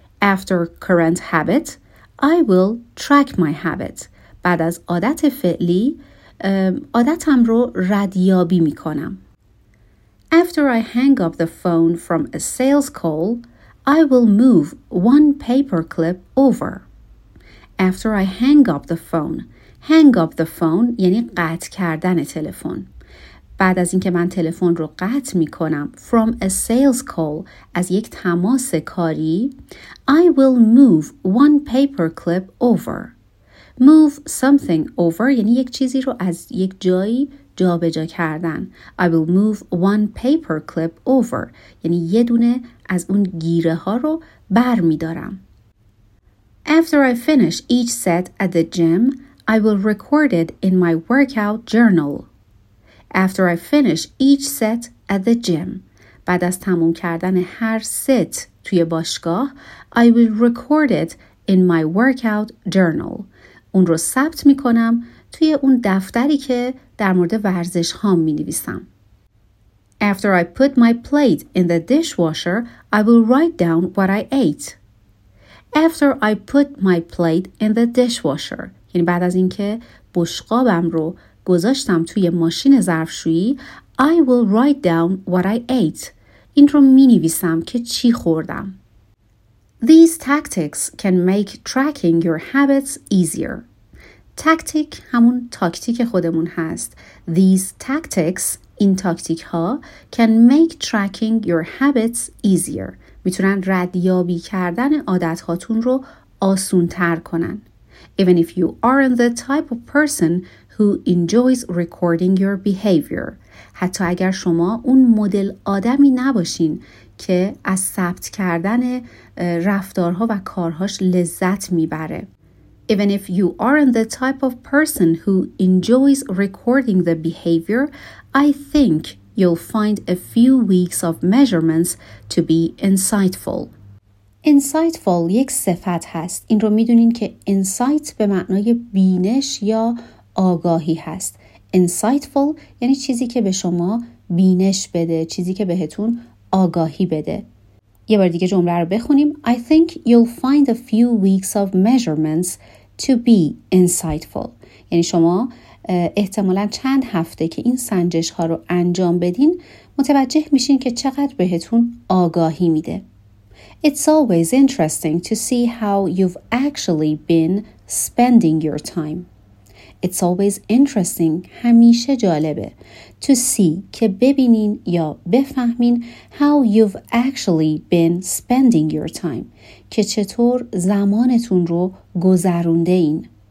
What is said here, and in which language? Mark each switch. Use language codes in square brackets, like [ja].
[en] After current habit, I will track my habit. [fa] بعد از عادت فعلی عادتم رو ردیابی می کنم. [en] After I hang up the phone from a sales call, I will move one paperclip over. After I hang up the phone. Hang up the phone [fa] یعنی قطع کردن تلفن. بعد از اینکه من تلفن رو قطع می کنم [en] from a sales call [fa] از یک تماس کاری [en] I will move one paperclip over. Move something over [fa] یعنی یک چیزی رو از یک جایی جابجا کردن. [en] I will move one paperclip over [fa] یعنی یه دونه از اون گیره ها رو بر می دارم. [en] After I finish each set at the gym, I will record it in my workout journal. After I finish each set at the gym, [fa] بعد از تموم کردن هر ست توی باشگاه, [en] I will record it in my workout journal. [fa] اون رو ثبت می کنم توی اون دفتری که در مورد ورزش هام می نویسم. [en] After I put my plate in the dishwasher, I will write down what I ate. After I put my plate in the dishwasher, [fa] یعنی بعد از اینکه بشقابم رو گذاشتم توی ماشین ظرفشویی, [en] I will write down what I ate. [fa] این رو می نویسم که چی خوردم. [en] These tactics can make tracking your habits easier. [fa] Tactic همون تاکتیک خودمون هست. [en] These tactics, [fa] این تاکتیک ها, [en] can make tracking your habits easier. [fa] میتونن ردیابی کردن عادت هاتون رو آسون تر کنن. [en] Even if you aren't the type of person who enjoys recording your behavior. [fa] حتی اگر شما اون مدل آدمی نباشین که از ثبت کردن رفتارها و کارهاش لذت میبره. [en] Even if you aren't the type of person who enjoys recording the behavior, I think you'll find a few weeks of measurements to be insightful. [fa] Insightful یک صفت هست. این رو میدونین که insight به معنای بینش یا آگاهی هست. Insightful یعنی چیزی که به شما بینش بده, چیزی که بهتون آگاهی بده. یه بار دیگه جمله رو بخونیم. [en] I think you'll find a few weeks of measurements to be insightful. [fa] یعنی شما احتمالاً چند هفته که این سنجش ها رو انجام بدین متوجه میشین که چقدر بهتون آگاهی میده. [en] It's always interesting to see how you've actually been spending your time. It's always interesting, [fa] همیشه جالبه, [en] to see, [fa] که ببینین یا بفهمین, [en] how you've actually been spending your time, [fa] که چطور زمانتون رو گذرونده این.